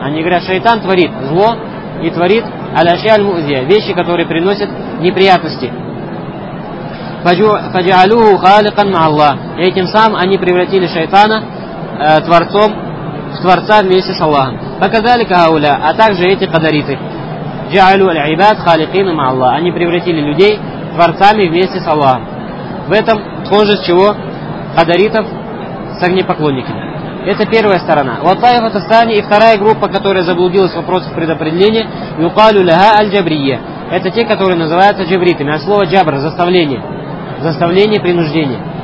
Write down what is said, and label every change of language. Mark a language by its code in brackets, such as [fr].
[ru] Они говорят, шайтан творит зло и творит [ar] аляши аль-музия, [ru] вещи, которые приносят неприятности. [ar] Фаджалюху халикан ма'аллах. [ru] И этим самым они превратили шайтана творцом, в творца вместе с Аллахом. Показали кауля, а также эти кадариты. [ar] جعلوا العباد خالقين مع الله. [ru] Они превратили людей творцами вместе с Аллахом. В этом тоже с чего хадаритов с огнепоклонниками. Это первая сторона. [ar] والطائفة الثانية. [ru] И вторая группа, которая заблудилась в вопросах предопределения, [ar] يقالوا لها الجبرية. [ru] Это те, которые называются джабритами. А слово джабр – заставление. Заставление, принуждение.